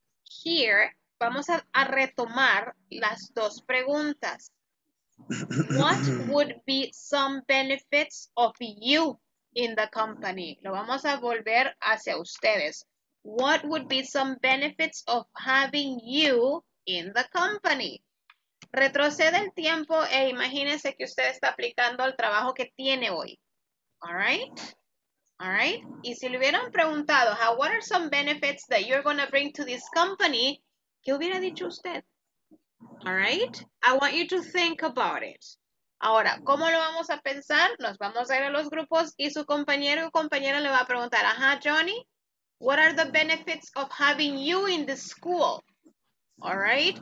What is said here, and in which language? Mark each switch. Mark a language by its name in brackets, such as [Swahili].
[English] Here, [Spanish] vamos a retomar las dos preguntas. [English] What would be some benefits of you in the company? [Spanish] Lo vamos a volver hacia ustedes. [English] What would be some benefits of having you in the company? [Spanish] Retrocede el tiempo e imagínese que usted está aplicando al trabajo que tiene hoy. [English] All right? All right? [Spanish] Y si le hubieran preguntado, [English] what are some benefits that you're going to bring to this company? [Spanish] ¿Qué hubiera dicho usted? [English] All right? I want you to think about it. [Spanish] Ahora, ¿cómo lo vamos a pensar? Nos vamos a ir a los grupos y su compañero o compañera le va a preguntar, Johnny, [English] what are the benefits of having you in the school? All right?